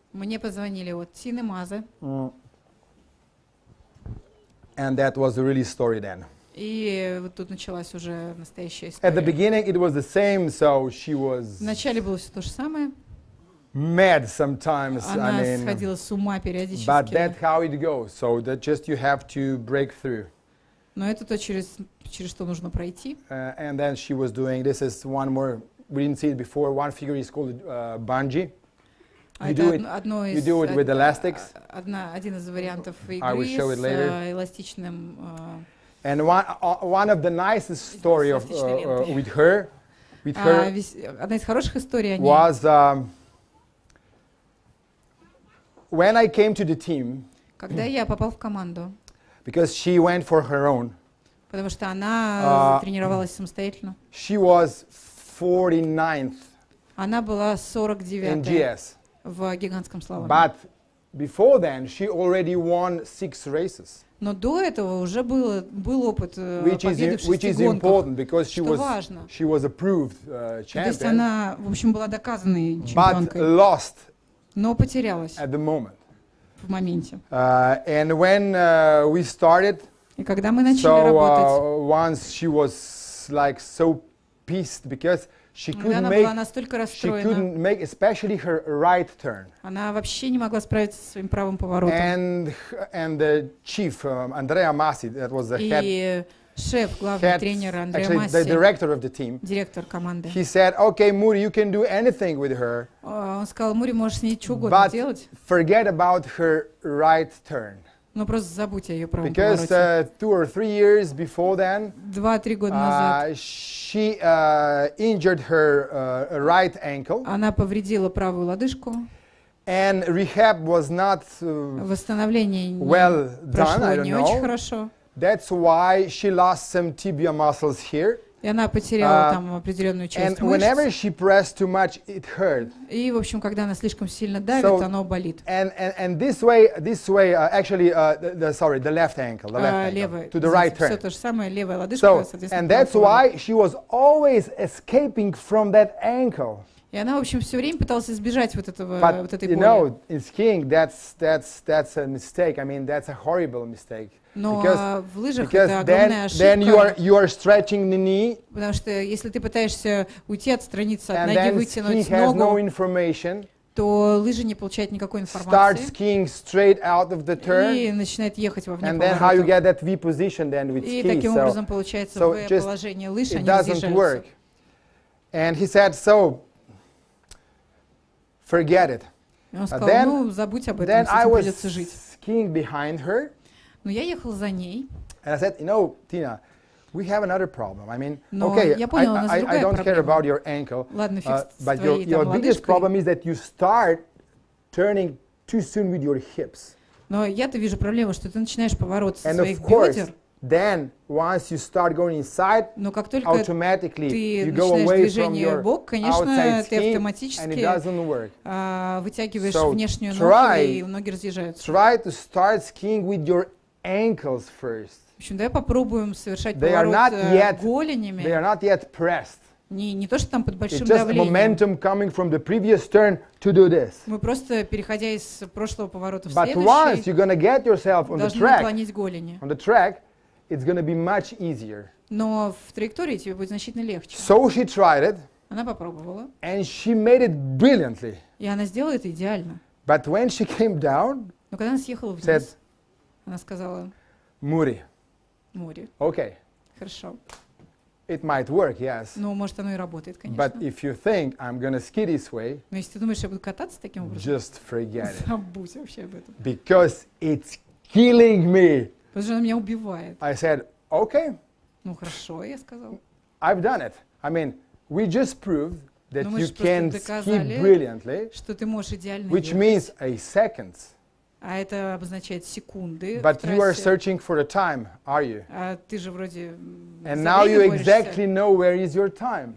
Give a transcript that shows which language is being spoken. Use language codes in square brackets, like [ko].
[ru] Мне позвонили от Тины Мазе. [en] And that was a really story then. [ru] И вот тут началась уже настоящая история. [en] At the beginning it was the same, so she was. [ru] Вначале было все то же самое. [en] Mad sometimes. [ru] Она [en] I mean, [ru] сходила с ума периодически. [en] But that's how it goes. So that just you have to break through. [ru] Но это то, через что нужно пройти. [en] And then she was doing, this is one more, we didn't see it before, one figure is called bungee. You do it, you do it with elastics. [ru] Один из вариантов игры с эластичным. [en] And one of the nicest story of with her was when I came to the team. [ru] Когда я попал в команду. [en] Because she went for her own. [ru] Потому что она тренировалась самостоятельно. [en] She was 49th. [ru] Она была 49th. [en] In GS. [ru] В гигантском слаломе. [en] But before then she already won 6 races. [ru] Но до этого уже был опыт победы в шести гонках. [en] Which is important because she was [ru] важно. [en] She was approved champion. [ru] То есть она, в общем, была доказанной чемпионкой. [en] But lost. [ru] Но потерялась. [en] At the moment. [ru] В моменте. [en] And when we started, [ru] и когда мы начали [en] so, [ru] работать, [en] once she was like so pissed because she couldn't [ru] она [en] make, [ru] была настолько расстроена, [en] she couldn't make especially her right turn. [ru] Она вообще не могла справиться со своим правым поворотом. [en] And the chief Andrea Massi, that was the [ru] и [en] head, [ru] шеф, главный head, тренер Андреа [en] actually, [ru] Масси, [en] the director of the team, [ru] директор команды. [en] He said, "Okay, Muri, you can do anything with her." [ru] Он сказал, Мури, можешь с ней что угодно делать. [en] But forget about her right turn. [ru] Ну просто забудь о ее правом повороте. [en] Because two or three years before then, [ru] 2-3 года назад, [en] she injured her right ankle. [ru] Она повредила правую лодыжку. [en] And rehab was not [ru] восстановление [en] well [ru] не [en] done, [ru] прошло [en] I don't [ru] не [en] know. [ru] Очень хорошо. [en] That's why she lost some tibia muscles here. [ru] И она потеряла там определенную часть [en] and [ru] мышц. [en] Whenever she pressed too much, it hurt. [ru] И, в общем, когда она слишком сильно давит, so, оно болит. [en] And this way, actually, the left ankle, the left ankle, [ru] левая, [en] to the right [ru] все [en] turn. [ru] Все то же самое, левая лодыжка, соответственно. [en] And that's why she was always escaping from that ankle. [ru] И она, в общем, все время пыталась избежать вот этого, [en] but, [ru] вот этой боли. [en] But, you know, in skiing, that's a mistake. I mean, that's a horrible mistake. [ru] Но [en] because, [ru] в лыжах это огромная ошибка. [en] Then you are stretching the knee, [ru] потому что если ты пытаешься уйти от страницы, от ноги вытянуть ногу, то лыжи не получают никакой информации. [en] Start skiing straight out of the turn, [ru] и начинает ехать во вне [en] and then how you get that V position then with [ru] и [en] ski. [ru] Таким [en] so, [ru] образом получается [en] so [ru] V положение лыж, [en] it [ru] они разъезжаются. [en] And he said, so forget it. Then I was skiing behind her. [ru] Но я ехал за ней. [en] And I said, you know, Tina, we have another problem. I mean, I don't care about your ankle. [ru] Ладно, [en] but your biggest problem is that you start turning too soon with your hips. [ru] Но я-то вижу проблему, что ты начинаешь поворот со своих бедер. Course, [en] then, once you start going inside, [ru] но как только [en] automatically [ru] ты начинаешь движение в бок, конечно, ты автоматически вытягиваешь внешнюю ногу, и ноги разъезжаются. [en] Try to start skiing with your ankles first. [ru] В общем, давай попробуем совершать поворот голенями. [en] They are not yet pressed. [ru] Не то, что там под большим [en] It's just [ru] давлением. [en] Momentum coming from the previous turn to do this. [ru] Мы просто, переходя из прошлого поворота в [en] But [ru] следующий, [en] once you're gonna get yourself on [ru] должны [en] the track, [ru] наклонить голени. [en] On the track, it's gonna be much easier. [ru] Но в траектории тебе будет значительно легче. [en] So she tried it, [ru] она попробовала. [en] And she made it brilliantly. [ru] И она сделала это идеально. [en] But when she came down, [ru] но когда она съехала вниз, [en] said, [ru] она сказала, Мури. Мури. [en] Okay. [ru] Хорошо. [en] It might work, yes. [ru] Ну, может, оно и работает, конечно. [en] But if you think I'm gonna ski this way, [ru] но если ты думаешь, я буду кататься таким образом, [en] just forget it. [ru] Забудь вообще об этом. [en] Because it's killing me. [ru] Потому что она меня убивает. [en] I said, okay. [ru] Ну, хорошо, я сказал. [en] I've done it. I mean, we just proved that [ru] ну, [en] you can ski brilliantly, [ru] что ты можешь идеально [en] which [ru] ехать. [en] Means a second. [ru] А это обозначает секунды. [en] But you are searching for a time, are you? [ru] А ты же вроде [en] And now you exactly know where is your time.